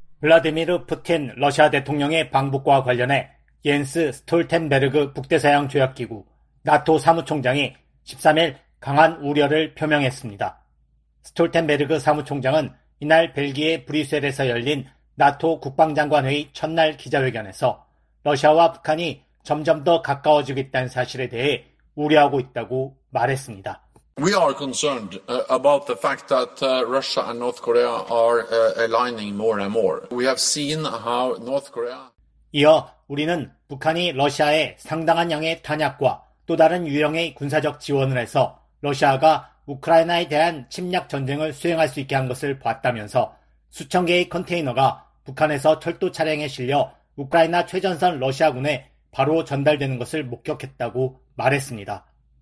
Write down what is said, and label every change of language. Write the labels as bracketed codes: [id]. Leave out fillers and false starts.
[ko] 블라디미르 푸틴 러시아 대통령의 방북과 관련해 옌스 스톨텐베르그 북대서양 조약기구 나토 사무총장이 13일 강한 우려를 표명했습니다. 스톨텐베르그 사무총장은 이날 벨기에 브뤼셀에서 열린 나토 국방장관회의 첫날 기자회견에서 러시아와 북한이 점점 더 가까워지고 있다는 사실에 대해 우려하고 있다고 말했습니다. [en] We are concerned about the fact that Russia and North Korea are aligning more and more. We have seen how North Korea. [ko] 이어 우리는 북한이 러시아에 상당한 양의 탄약과 또 다른 유형의 군사적 지원을 해서 러시아가 우크라이나에 대한 침략 전쟁을 수행할 수 있게 한 것을 봤다면서 수천 개의 컨테이너가 북한에서 철도 차량에 실려 우크라이나 최전선 러시아군에 바로 전달되는 것을 목격했다고 말했습니다.